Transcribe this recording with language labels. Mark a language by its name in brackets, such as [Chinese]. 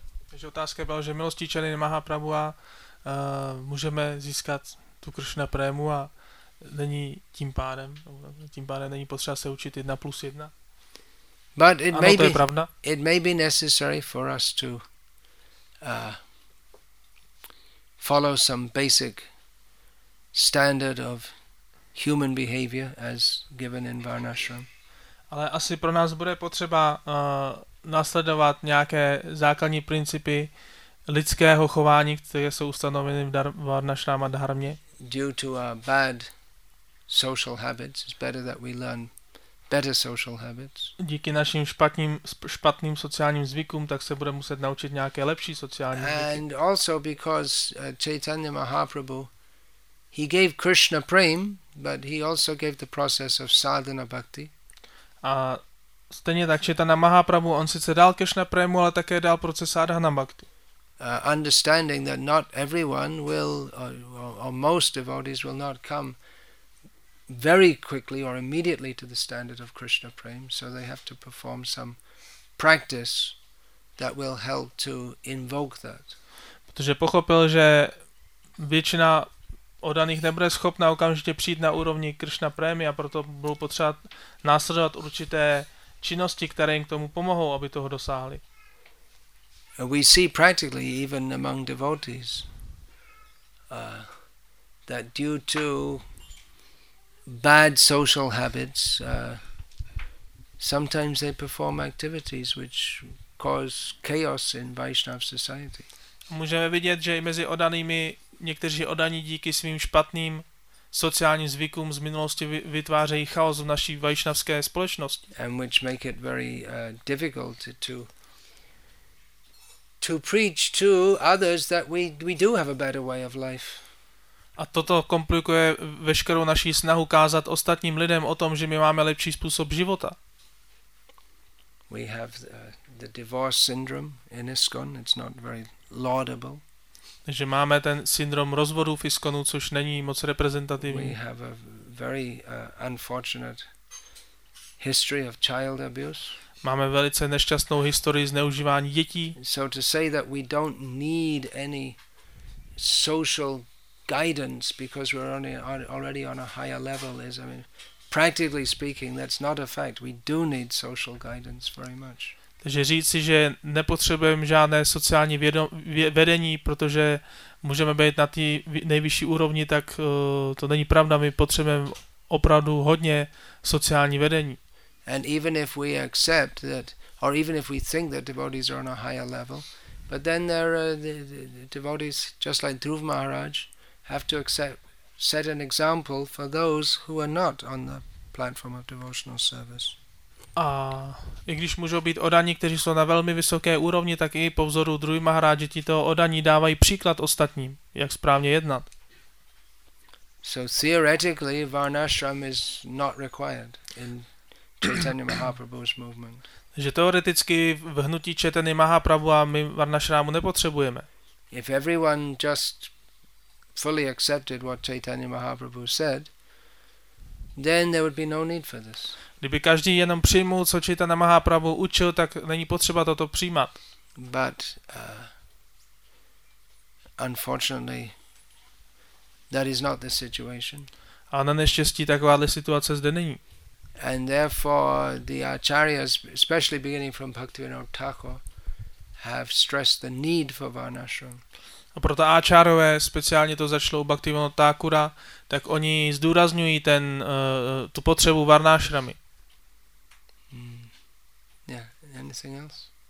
[Czech] Takže otázka byla, že milostí Chaitanya Mahaprabhu a můžeme získat tu Krishna Premu a není tím pádem není potřeba se učit 1+1. [English] But it [Czech] ano, [English] may be necessary for us to follow some basic standard of human behavior as given in Varnashram. [Czech] Ale asi pro nás bude potřeba následovat nějaké základní principy lidského chování, které jsou ustanoveny v Varnashram a dharmě. [English] Due to our bad social habits, it's better that we learn better social habits. [Czech] Díky našim špatným sociálním zvykům, tak se bude muset naučit nějaké lepší sociální zvyky. [English] And also because Chaitanya Mahaprabhu, he gave Krishna Prem, but he also gave the process of sadhana bhakti. [Czech] A stejně tak Chaitanya Mahaprabhu, on sice dal Krishna Premu, ale také dal proces sadhana bhakti. [English] Understanding that not everyone will, or most devotees will not come very quickly or immediately to the standard of Krishna Prem, so they have to perform some practice that will help to invoke that. [Czech] Protože pochopil, že většina odaných nebude schopna okamžitě přijít na úrovni Krishna Premy a proto bylo potřeba následovat určité činnosti, které jim k tomu pomohou, aby toho dosáhli. [English] We see practically even among devotees that due to bad social habits, sometimes they perform activities which cause chaos in Vaishnav society. [Czech] Můžeme vidět, že i mezi oddanými někteří oddaní díky svým špatným sociálním zvykům z minulosti vytvářejí chaos v naší vaišnavské společnosti. [English] And which make it very difficult to preach to others that we do have a better way of life. [Czech] A toto komplikuje veškerou naši snahu kázat ostatním lidem o tom, že my máme lepší způsob života. [English] We have the divorce syndrome in ISKCON. It's not very laudable. [Czech] Takže máme ten syndrom rozvodu v ISKCONu, což není moc reprezentativní. [English] We have a very unfortunate history of child abuse. [Czech] Máme velice nešťastnou historii zneužívání dětí. [English] So to say that we don't need any social guidance because we're already on a higher level is, I mean, practically speaking, that's not a fact. We do need social guidance very much. [Czech] Takže říci, že nepotřebujeme žádné sociální vedení, protože můžeme být na té nejvyšší úrovni, tak to není pravda. My potřebujeme opravdu hodně sociální vedení. [English] And even if we accept that, or even if we think that devotees are on a higher level, but then there the devotees, just like Dhruv Maharaj, have to accept, set an example for those who are not on the platform of devotional service. [Czech] A i když můžou být odaní, kteří jsou na velmi vysoké úrovni, tak i po vzoru Dhruva Maharáže tito odaní dávají příklad ostatním, jak správně jednat. [English] So theoretically, Varnashram is not required in Chaitanya Mahaprabhu's movement. [Czech] Takže teoreticky v hnutí Chaitany Mahaprabhu a my Varnashramu nepotřebujeme. [English] If everyone just fully accepted what Chaitanya Mahaprabhu said, then there would be no need for this. [Czech] Kdyby každý jenom přijmul, co Chaitanya Mahaprabhu učil, tak není potřeba toto přijímat. [English] But unfortunately, that is not the situation. [Czech] A na neštěstí takováhle situace zde není. [English] And therefore, the acharyas, especially beginning from Bhaktivinoda Thakur, have stressed the need for Varnashram. [Czech] A proto áčárové, speciálně to začalo u Bhaktivinoda Thakura, tak oni zdůrazňují ten tu potřebu Varnashramy. [English] Yeah, anything else?